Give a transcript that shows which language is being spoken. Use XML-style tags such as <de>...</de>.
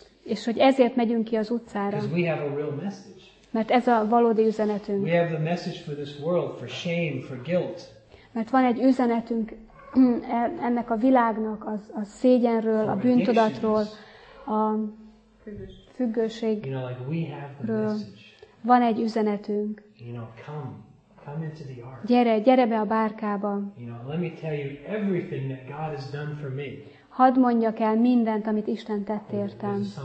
<hu>És hogy ezért megyünk ki az utcára.</hu> <en>Because we have a real message.</en> <hu>Mert ez a valódi üzenetünk.</hu> <en>We have the message for this world, for shame, for guilt.</en> <hu>Mert van egy üzenetünk ennek a világnak, a szégyenről, a bűntudatról, a függőségről.</hu> <en>You know, like we have the message.</en> <hu>Van egy üzenetünk.</hu> <en>You know, come. Come into the ark.</en> <hu>Gyere, gyere be a bárkába.</hu> <en>You know, let me tell you everything that God has done for me.</en> <hu>Hadd mondjak el mindent, amit Isten tett értem.</hu>